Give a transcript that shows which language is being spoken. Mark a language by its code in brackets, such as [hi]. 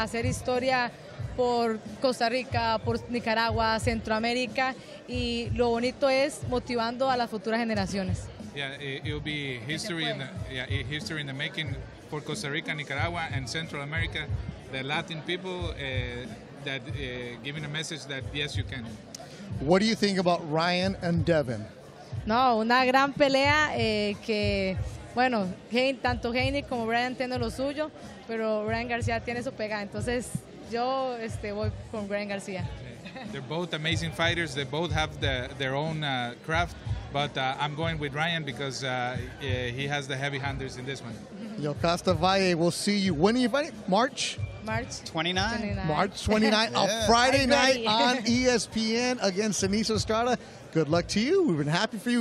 [es] Hacer historia por Costa Rica, por Nicaragua, Centroamérica, y lo bonito es motivando a las futuras generaciones. [en] Yeah, it will be history in the history in the making for Costa Rica, Nicaragua, and Central America, the Latin people that giving a message that yes, you can. What do you think about Ryan and Devin? [es] No, una gran pelea que bueno, tanto Haney como Ryan tienen lo suyo, pero Ryan García tiene su pega, entonces yo voy con Ryan García. [en] They're both amazing fighters. They both have their own craft. But I'm going with Ryan because he has the heavy handers in this one. Yo Costa Valle, we'll see you. When are you fighting? March? March 29. March 29 on Friday night on ESPN against Ceniso Estrada. Good luck to you. We've been happy for you.